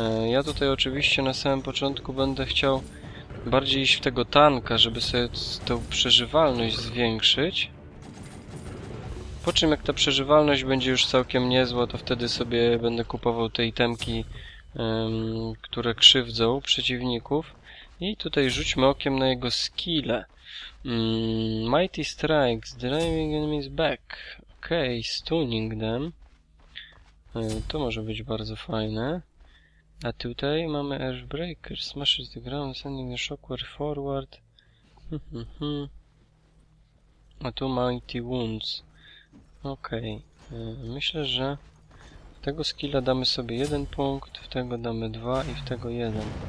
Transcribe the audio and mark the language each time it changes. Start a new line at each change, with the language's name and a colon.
Polish: Ja tutaj oczywiście na samym początku będę chciał bardziej iść w tego tanka, żeby sobie tą przeżywalność zwiększyć. Po czym jak ta przeżywalność będzie już całkiem niezła, to wtedy sobie będę kupował te itemki, które krzywdzą przeciwników. I tutaj rzućmy okiem na jego skille.
English: Mighty Strikes, driving enemies back. Okej, stunning them.
Polish: To może być bardzo fajne. A tutaj mamy Earthbreaker,
English: smashes the ground, sending a shockwave forward.
Polish: A tu Mighty Wounds. Okej. Myślę, że w tego skilla damy sobie jeden punkt, w tego damy dwa i w tego jeden.